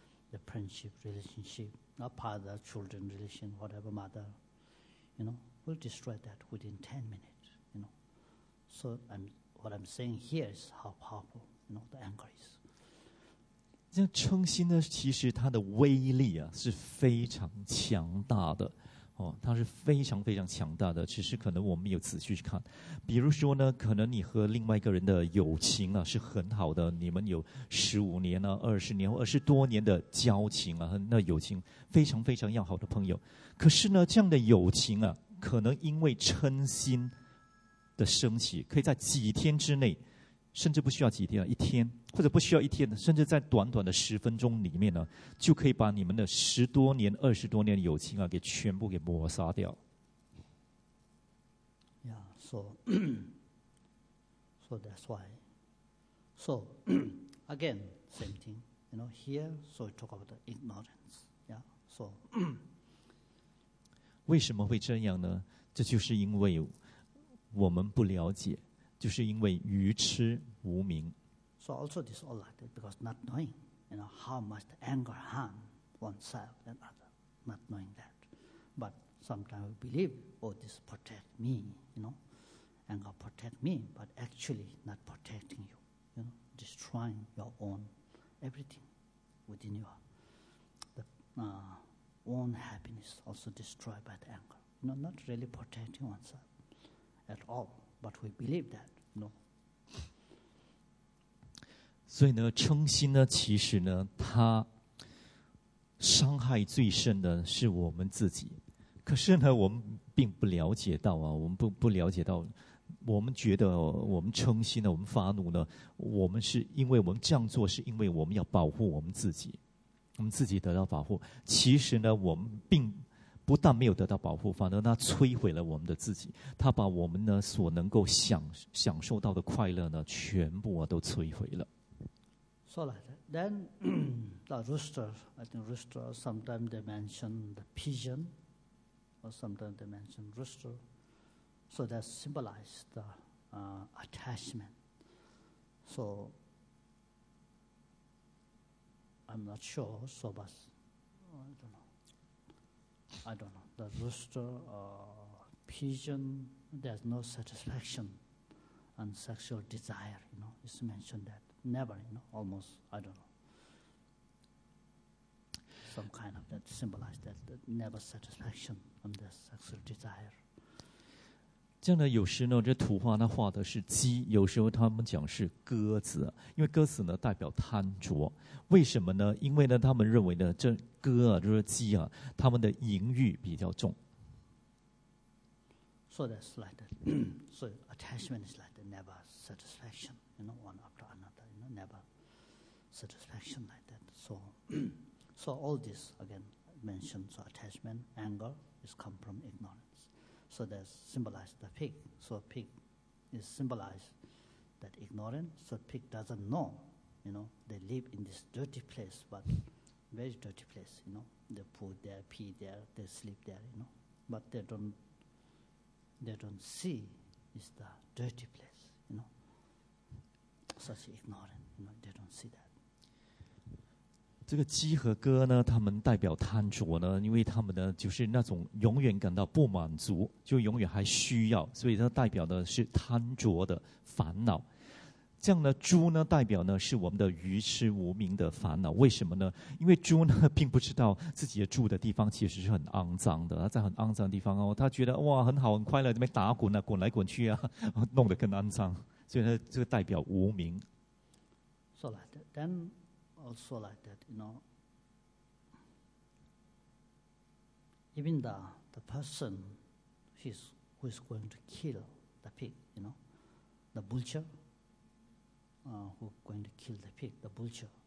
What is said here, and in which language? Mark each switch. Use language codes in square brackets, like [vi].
[en] The friendship, relationship, not father, children, relation, whatever, mother, you know, will destroy that within 10 minutes, you know. So what I'm saying here is how powerful, you know, the anger is. [zh] 这嗔心呢，其实它的威力啊，是非常强大的。它是非常非常强大的，只是可能我们没有仔细去看。比如说呢，可能你和另外一个人的友情啊是很好的，你们有15年啊、20年、20多年的交情啊，那友情非常非常要好的朋友。可是呢，这样的友情啊，可能因为嗔心的升起，可以在几天之内，甚至不需要几天啊，一天或者不需要一天，甚至在短短的10分钟里面呢，就可以把你们的10多年、20多年的友情啊，给全部给抹杀掉。 [en] Yeah, so that's why. So again, same thing. You know, here, so we talk about the ignorance. Yeah, so [zh] 为什么会这样呢？这就是因为我们不了解。就是因为愚痴无明。 [en] So also this all like that because not knowing, you know, how much the anger harm oneself and other, not knowing that. But sometimes we believe, oh, this protect me, you know, anger protect me, but actually not protecting you, you know, destroying your own everything within you. The own happiness also destroyed by the anger. You know, not really protecting oneself at all. But we believe that, no. [zh] 所以呢，嗔心呢，其实呢，它伤害最深的是我们自己。可是呢，我们并不了解到啊，我们不了解到，我们觉得我们嗔心呢，我们发怒呢，我们是因为我们这样做是因为我们要保护我们自己，我们自己得到保护。其实呢，我们并不但没有得到保护，反而他摧毁了我们的自己。他把我们呢所能够享受到的快乐呢，全部啊都摧毁了。 [en] So like that. Then the rooster, I think rooster. Sometimes they mention the pigeon, or sometimes they mention rooster. So that symbolizes the attachment. So I'm not sure. So but I don't know. I don't know. the rooster pigeon, there's no satisfaction and sexual desire, you know, it's mentioned that. Never, you know, almost, I don't know. Some kind of that symbolize that, that never satisfaction and the sexual desire. [zh] 这样呢，有时呢，这图画呢画的是鸡，有时候他们讲是鸽子，因为鸽子呢代表贪着。为什么呢？因为呢，他们认为呢，这鸽啊，就是鸡啊，他们的淫欲比较重。 [en] So that's like that. So attachment is like that, never satisfaction, you know, one after another, you know, never satisfaction like that. So, so all this again mentioned. So attachment, anger, is come from ignorance. So that symbolizes the pig. So pig is symbolized that ignorant. So pig doesn't know, you know, they live in this dirty place, but very dirty place, you know. They poo there, pee there, they sleep there, you know. But they don't see it's the dirty place, you know. Such ignorant, you know, they don't see that. [zh] 这个鸡和鸽呢，他们代表贪着呢，因为他们呢就是那种永远感到不满足，就永远还需要，所以它代表的是贪着的烦恼。这样呢，猪呢代表呢是我们的愚痴无明的烦恼。为什么呢？因为猪呢并不知道自己住的地方其实是很肮脏的，在很肮脏的地方哦，他觉得哇很好很快乐，在那边打滚啊，滚来滚去啊，弄得更肮脏，所以呢这个代表无明。 [en] So like that, then. Also like that, you know, even the person who is going to kill the pig, you know, the butcher, who is going to kill the pig, the butcher.